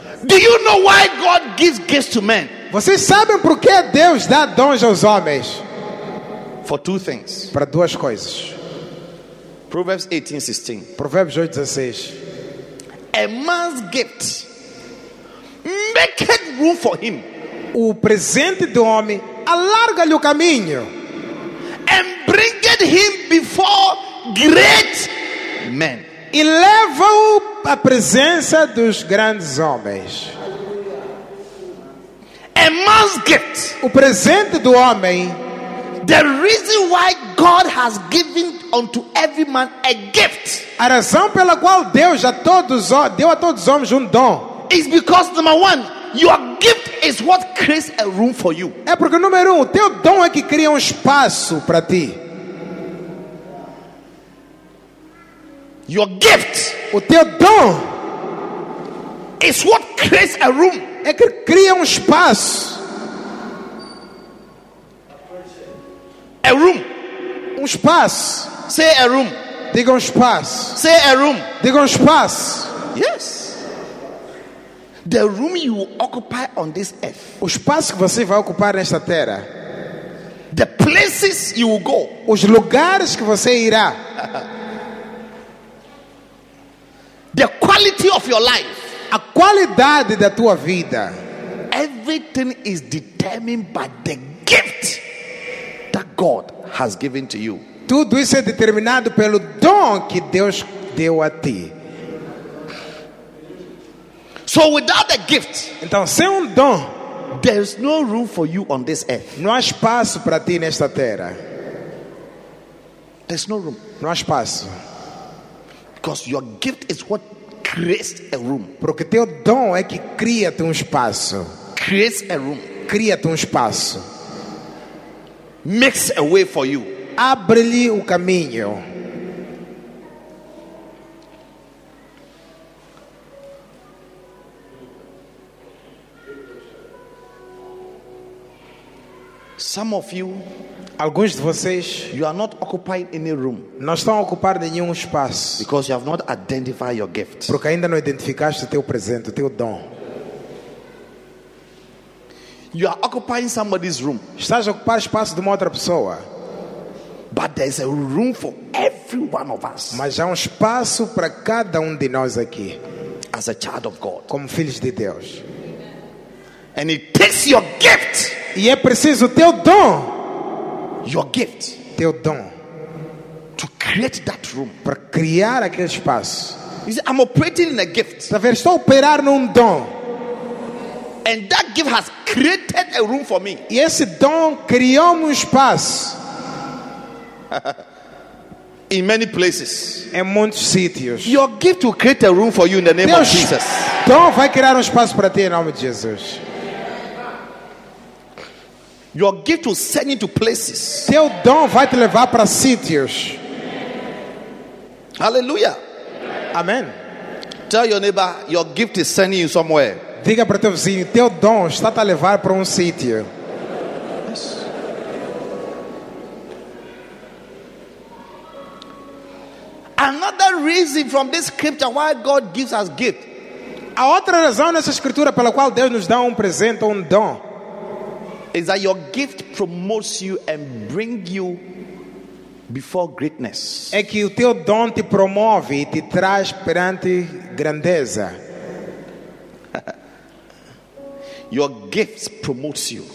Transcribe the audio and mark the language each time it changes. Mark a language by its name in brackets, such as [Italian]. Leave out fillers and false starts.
[English] Do you know why God gives gifts to men? [Portuguese] Vocês sabem por que Deus dá dons aos homens? [English] For two things. [Portuguese] Para duas coisas. [English] Proverbs 18:16. A man's gift make it room for him. [Portuguese] O presente do homem alarga-lhe o caminho. [English] And bring it him before great men. [Portuguese] E leva-o à presença dos grandes homens. [English] A man's gift. [Portuguese] O presente do homem. [English] The reason why God has given unto every man a gift. [Portuguese] A razão pela qual Deus a todos deu a todos os homens dom. [English] Is because number one, your gift is what creates a room for you. [Portuguese] É porque número um, o teu dom é que cria espaço para ti. [English] Your gift. [Portuguese] O teu dom. [English] Is what creates a room. [Portuguese] É que cria espaço. [English] A room. [Portuguese] Espaço. [English] Say a room. [Portuguese] Diga espaço. [English] Say a room. [Portuguese] Diga espaço. [English] Yes. The room you occupy on this earth. [Portuguese] O espaço que você vai ocupar nesta terra. [English] The places you will go. [Portuguese] Os lugares que você irá. [English] The quality of your life. [Portuguese] A qualidade da tua vida. [English] Everything is determined by the gift that God has given to you. [Portuguese] Tudo isso é determinado pelo dom que Deus deu a ti. [English] So without a gift, [Portuguese] então sem dom, [English] there's no room for you on this earth. [Portuguese] Não há espaço para ti nesta terra. [English] There's no room. [Portuguese] Não há espaço. [English] Because your gift is what creates a room. [Portuguese] Porque teu dom é que cria-te espaço. [English] Creates a room. [Portuguese] Cria-te espaço. [English] Makes a way for you. [Portuguese] Abre-lhe o caminho. [English] Some of you, [Portuguese] alguns de vocês, [English] you are not occupying any room. [Portuguese] Não estão a ocupar nenhum espaço. [English] Because you have not identified your gift. [Portuguese] Porque ainda não identificaste o teu presente, o teu dom. [English] You are occupying somebody's room. [Portuguese] Estás a ocupar espaço de uma outra pessoa. [English] But there's a room for every one of us. [Portuguese] Mas há espaço para cada de nós aqui. [English] As a child of God. [Portuguese] Como filhos de Deus. [English] And it takes your gift. [Portuguese] E é preciso o teu dom. [English] Your gift. [Portuguese] Teu dom. [English] To create that room. [Portuguese] Para criar aquele espaço. [English] You see, I'm operating in a gift. [Portuguese] Está a ver, estou a operar dom. [English] And that gift has created a room for me. [Portuguese] E esse dom criou espaço. [English] In many places. [Portuguese] Em muitos sítios. [English] Your gift will create a room for you in the name [Portuguese] Deus [English] of Jesus. [Portuguese] Dom vai criar espaço para ti em nome de Jesus. [English] Your gift will send you to places. [Portuguese] Teu dom vai te levar para sítios. [English] Hallelujah. [Portuguese] Amen. [English] Tell your neighbor, your gift is sending you somewhere. [Portuguese] Diga para teu vizinho, teu dom está te a levar para sítio. [English] Yes. Another reason from this scripture why God gives us gift. [Portuguese] A outra razão nessa escritura pela qual Deus nos dá presente ou dom. [English] Is that your gift promotes you and brings you before greatness. [Portuguese] É que o teu dom te promove e te traz perante grandeza. [English] Your gift promotes you.